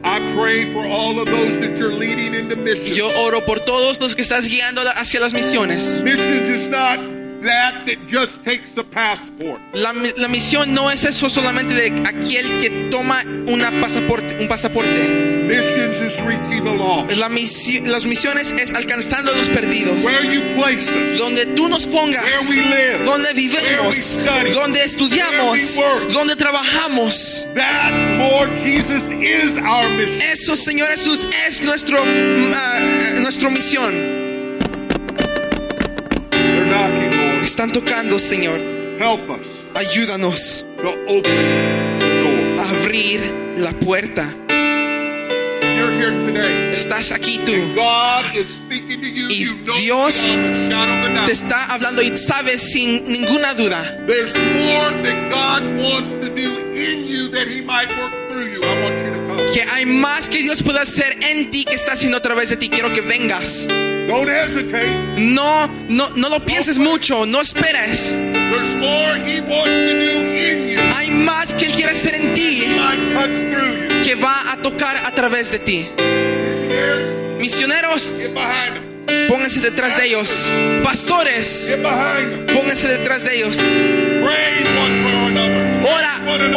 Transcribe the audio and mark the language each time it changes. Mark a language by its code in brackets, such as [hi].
[en] I pray for all of those that you're leading into missions. [es] Yo oro por todos los que estás guiando hacia las misiones. [en] Missions is not that just takes a passport. [es] La misión no es eso solamente de aquel que toma un pasaporte. [en] Missions is reaching the lost. [es] Las misiones es alcanzando a los perdidos. [en] Where you place us. [es] Donde tú nos pongas. [en] Where we live. [es] Donde vivimos. [en] Where we study. [es] Donde estudiamos. [en] Where we work. [es] Donde trabajamos. [en] That, Lord Jesus, is our mission. [es] Eso, Señor Jesús, es nuestro misión. [en] They're knocking. [es] Están tocando, Señor. [en] Help us. [es] Ayúdanos. [en] To open the door. [es] Abrir la puerta. [en] You're here today. [es] Estás aquí tú. [en] And God is speaking to you. [es] Y [en] you know [es] Dios te está hablando y sabes sin ninguna duda. [en] There's more that God wants to do in you that he might work through you. I want you to come. [es] Que hay más que Dios pueda hacer en ti que está haciendo a través de ti. Quiero que vengas. [en] Don't hesitate. [es] No lo pienses, no, mucho. No esperes. [en] There's more he wants to do in you. [es] Hay más que él quiere hacer en ti. [en] Touch through you. [es] Que va a tocar a través de ti. Misioneros, [en] get behind them. [es] Pónganse detrás, [en] pastors, [es] de ellos. Pastores, [en] get behind them. [es] Pónganse detrás de ellos. [en] Pray one for another.